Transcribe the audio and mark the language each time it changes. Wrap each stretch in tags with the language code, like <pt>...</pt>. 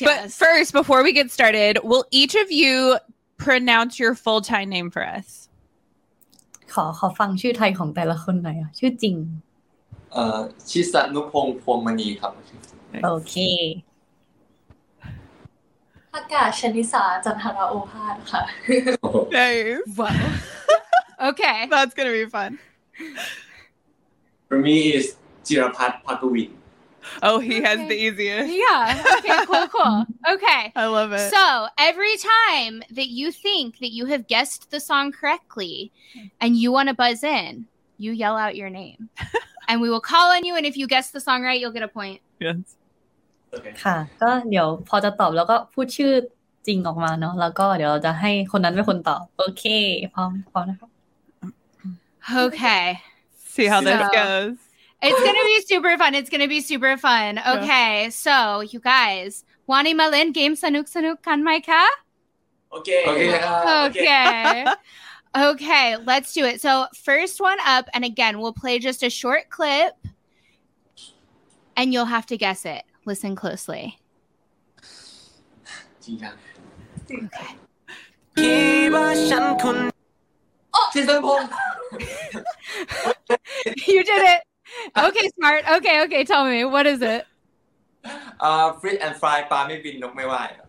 <en>but first, before we get started, will each of you pronounce your full Thai name for us?</en> <th>ขอฟังชื่อไทยของแต่ละคนหน่อยอ่ะชื่อจริง ชิสานุพงศ์พวงมณีครับ โอเค ภากาชนิสาจันทราโอภาสค่ ะ</th> <en>Nice. Wow. Okay. That's gonna be fun. For me, it's Jirapat Pakawin. Oh, he has the easiest. Yeah. Okay, cool, cool. Okay. I love it. So every time that you think that you have guessed the song correctly and you want to buzz in, you yell out your name. And we will call on you. And if you guess the song right, you'll get a point. Yes. Okay.</en> <th>ค่ะก็เดี๋ยวพอจะตอบแล้วก็พูดชื่อจริงออกมาเนาะแล้วก็เดี๋ยวเราจะให้คนนั้นเป็นคนตอบโอเคพร้อมนะครับ</th> <en>Okay. See how this goes. It's going to be super fun. It's going to be super fun. Okay. Yeah. So, you guys,</en> <th>wani malin game sanuk sanuk kan mai ka?</th> <en>Okay. Okay, let's do it. So, first one up, and again, we'll play just a short clip, and you'll have to guess it. Listen closely.</en> <th>คิดว่าฉันค นชิสันพง</th> <en>You did it Okay smart Okay okay tell me what is it Free and fry</en> <th>ปลาไม่บินนกไม่ว่าย</th>